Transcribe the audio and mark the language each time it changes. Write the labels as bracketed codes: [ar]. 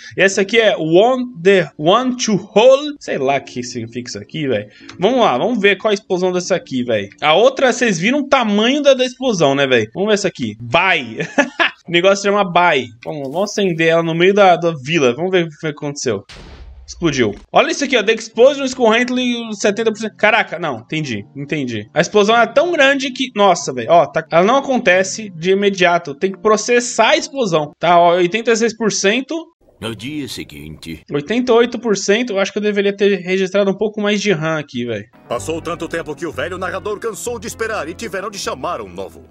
[pt] Essa aqui é One to Hole. Sei lá o que significa isso aqui, velho. Vamos lá, vamos ver qual é a explosão dessa aqui, velho. A outra, vocês viram o tamanho da explosão, né, velho? Vamos ver essa aqui. Bye. O negócio chama Bye. Vamos acender ela no meio da vila. Vamos ver o que aconteceu. Explodiu. Olha isso aqui, ó. [en] The Explosion is currently 70%. [pt] Caraca, não. Entendi. A explosão é tão grande que. Nossa, velho. Ó, tá. Ela não acontece de imediato. Tem que processar a explosão. Tá, ó. 86%. No dia seguinte... 88%, eu acho que eu deveria ter registrado um pouco mais de RAM aqui, velho. Passou tanto tempo que o velho narrador cansou de esperar e tiveram de chamar um novo.